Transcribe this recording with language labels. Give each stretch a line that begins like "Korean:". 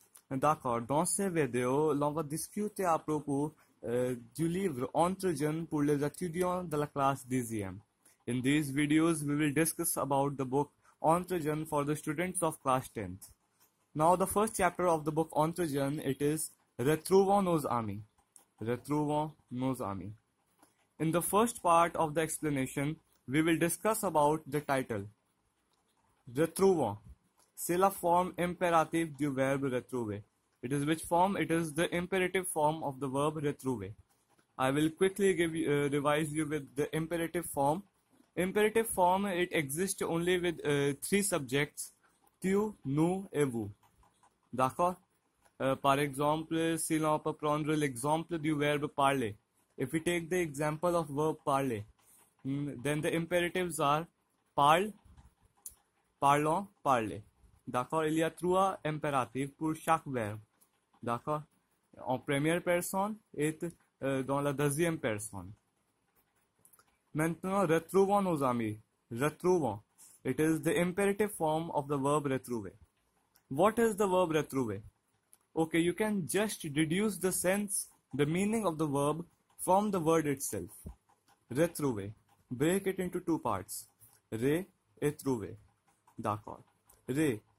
French: D'accord, dans cette vidéo, l'on va discuter à propos du livre Entregen pour les étudiants de la classe 10e.
English: In these videos, we will discuss about the book Entregen for the students of class 10th. Now, the first chapter of the book Entregen, it is Retrouvons nos amis. Retrouvons nos amis. In the first part of the explanation, we will discuss about the title. Retrouvons.
French: C'est la forme impérative du verbe retrouver.
English: It is which form? It is the imperative form of the verb retrouver. I will quickly give you, revise you with the imperative form. Imperative form, it exists only with three subjects.
French: Tu, nous et vous. D'accord? Par exemple, si l'on peut prendre l'exemple du verbe parler.
English: If we take the example of verb parler, then the imperatives are parle, parlons, parlez.
French: D'accord, il y a trois impératifs pour chaque verbe. D'accord, en première personne et dans la deuxième personne. Maintenant, retrouvons nos amis. Retrouvons.
English: It is the imperative form of the verb retrouver. What is the verb retrouver? Okay, you can just deduce the sense, the meaning of the verb from the word itself. Retrouver. Break it into two parts.
French: Re et trouver. D'accord.
English: Re.